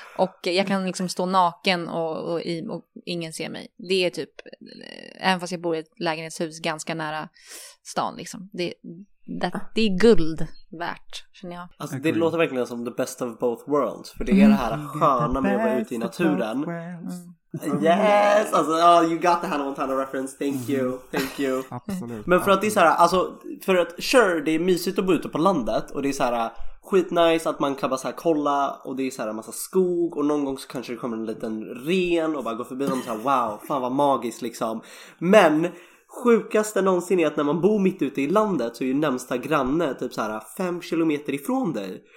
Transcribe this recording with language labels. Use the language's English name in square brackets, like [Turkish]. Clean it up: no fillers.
[Swedish] Och jag kan liksom stå naken och ingen ser mig. Det är typ, även fast jag bor i ett lägenhetshus ganska nära stan liksom. Det är guld värt, känner jag. Alltså det låter verkligen som [English] the best of both worlds. [Swedish] För det är det här sköna med att vara ute i naturen. [English] Yes, alltså, you got the Hannah Montana reference. Thank you. [Swedish] Absolut. Men för att det är så här, alltså, för att sure, det är mysigt att bo ute på landet och det är så här skitnice att man kan bara så här kolla och det är så här en massa skog och någon gång så kanske det kommer en liten ren och bara går förbi och så här wow, fan vad magiskt liksom. Men sjukaste någonsin är att när man bor mitt ute i landet så är ju närmsta granne typ så här 5 kilometer ifrån dig.